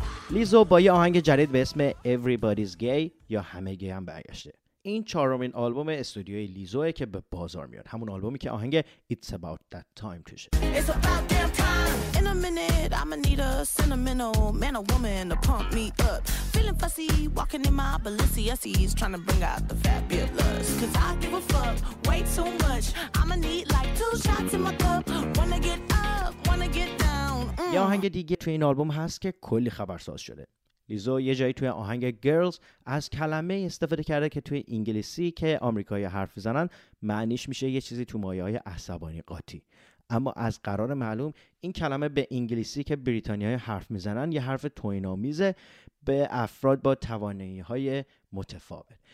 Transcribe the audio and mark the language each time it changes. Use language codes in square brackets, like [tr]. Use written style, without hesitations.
[fa] لیزو با یه آهنگ جدید به اسم Everybody's Gay یا همه گی هم برگشته. این چهارمین آلبوم استودیوی لیزو که به بازار میاد، همون آلبومی که آهنگ It's About That Time توشه. [en] In a minute, I'ma need a sentimental man or woman to pump me up. Feeling fussy, walking in my Balenciennes, trying to bring out the fabulous. 'Cause I give a fuck way too much. I'ma need like two shots in my cup. Wanna get up, wanna get down. [fa] یا آهنگ دیگه توی این آلبوم هست که کلی خبرساز شده. لیزو یه جایی توی آهنگ Girls از کلمه استفاده کرده که توی انگلیسی که آمریکایی حرف زنن معنیش میشه یه چیزی تو مایه‌های عصبانی قاطی. اما از قرار معلوم این کلمه به انگلیسی که بریتانیایی حرف میزنن یه حرف توهین‌آمیزه به افراد با توانایی‌های متفاوت.